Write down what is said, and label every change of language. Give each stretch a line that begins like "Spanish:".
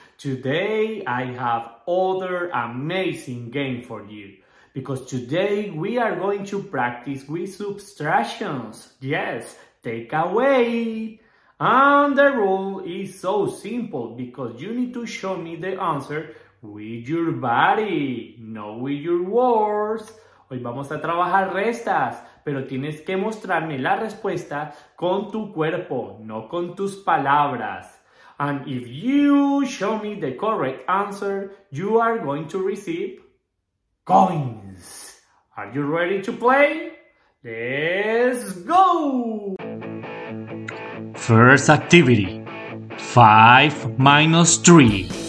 English: Today, I have other amazing game for you, because today we are going to practice with subtractions. Yes, take away. And the rule is so simple, because you need to show me the answer with your body, not with your words.
Spanish: Hoy vamos a trabajar restas, pero tienes que mostrarme la respuesta con tu cuerpo, no con tus palabras.
English: And if you show me the correct answer, you are going to receive coins. Are you ready to play? Let's go! First activity. 5 minus 3.